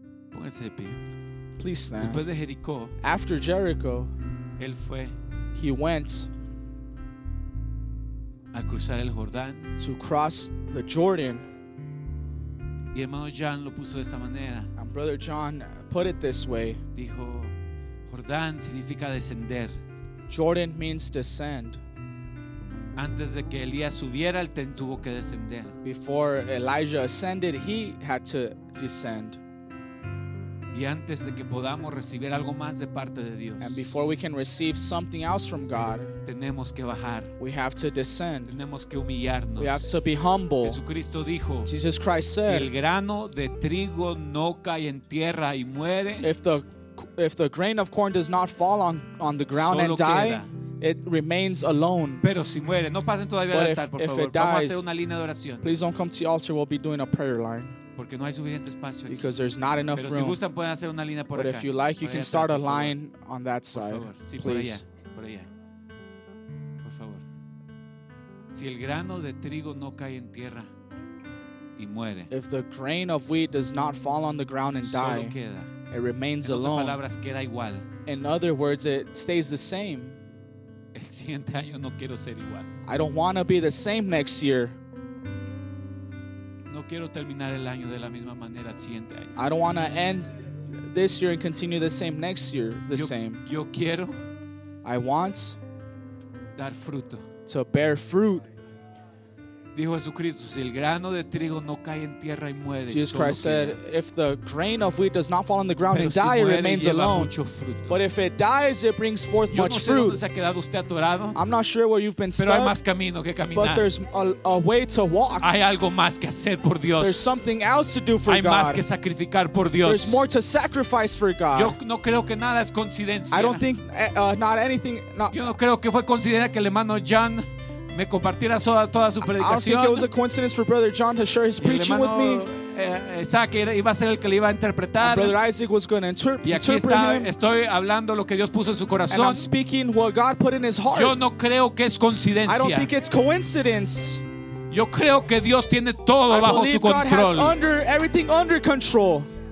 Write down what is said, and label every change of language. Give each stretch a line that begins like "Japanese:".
Spanish: Pónganse de pie.
English: Please stand.
Spanish: Después de Jericó.
English: After Jericho.
Spanish: Él fue.
English: He went.
Spanish: A cruzar el Jordán.
English: To cross the Jordan.
Spanish: Y hermano John lo puso de esta manera.
English: And brother John put it this way.
Spanish: Dijo, Jordán significa descender.
English: Jordan means descend.
Spanish: Antes de que Elías subiera, él tuvo que descender.
English: Before Elijah ascended, he had to descend.
Spanish: Y antes de que podamos recibir algo más de parte de Dios,
English: and before we can receive something else from God,
Spanish: tenemos que bajar.
English: We have to descend.
Spanish: Tenemos que humillarnos.
English: We have to be humble.
Spanish: Jesucristo dijo,
English: Jesus Christ said,
Spanish: si el grano de trigo no cae en tierra y muere,
English: if the grain of corn does not fall on the ground and die, it remains alone.
Spanish: Pero si muere, no pasen todavía al altar, por favor. Vamos a hacer una línea de oración.
English: Please don't come to the altar. We'll be doing a prayer line.
Spanish: Porque no hay suficiente espacio.
English: Because there's not enough
Spanish: Pero
English: room.
Spanish: Si gustan, pueden hacer una línea por
English: but
Spanish: acá.
English: If you like, you can start a line on that side.
Spanish: Por favor. Sí, please. Por allá. Por allá. Por favor. Si el grano de trigo no cae en tierra y muere,
English: if the grain of wheat does not fall on the ground and die,
Spanish: solo queda.
English: It remains alone.
Spanish: En otras palabras, queda igual.
English: In other words, it stays the same.
Spanish: El siguiente año no quiero ser igual.
English: I don't want to be the same next year.
Spanish: No quiero terminar el año de la misma manera el siguiente año.
English: I don't want to end this year and continue the same next year the same.
Spanish: Yo quiero.
English: I want
Spanish: dar fruto.
English: To bear fruit.
Spanish: Dijo Jesucristo, si el grano de trigo no cae en tierra y muere,
English: Jesus Christ said,
Spanish: queda.
English: If the grain of wheat does not fall on the ground
Spanish: Pero
English: and
Spanish: si
English: die,
Spanish: muere,
English: it remains alone.
Spanish: Mucho fruto.
English: But if it dies, it brings forth
Spanish: Yo no
English: much
Spanish: sé
English: fruit.
Spanish: Dónde se ha quedado usted atorado,
English: I'm not sure where you've been
Spanish: pero
English: stuck,
Spanish: hay más camino que caminar.
English: But there's a way to walk.
Spanish: Hay algo más que hacer por Dios.
English: There's something else to do for
Spanish: hay
English: God.
Spanish: Más que sacrificar por Dios.
English: There's more to sacrifice for God.
Spanish: Yo no creo que nada es coincidencia.
English: I don't think not anything. Not,
Spanish: Yo no creo que fue coincidencia que el hermano John me compartiera toda su predicación.
English: I don't think it was a coincidence for Brother John to share his preaching with me.
Spanish: Isaac iba a ser el que le iba a interpretar.
English: And Brother Isaac was going to interpret.
Spanish: Y aquí está, estoy hablando lo que Dios puso en su corazón.
English: And I'm speaking what God put in his heart.
Spanish: Yo no creo que es coincidencia.
English: I don't think it's coincidence.
Spanish: Yo creo que Dios tiene todo bajo su control.
English: I believe God has everything under control.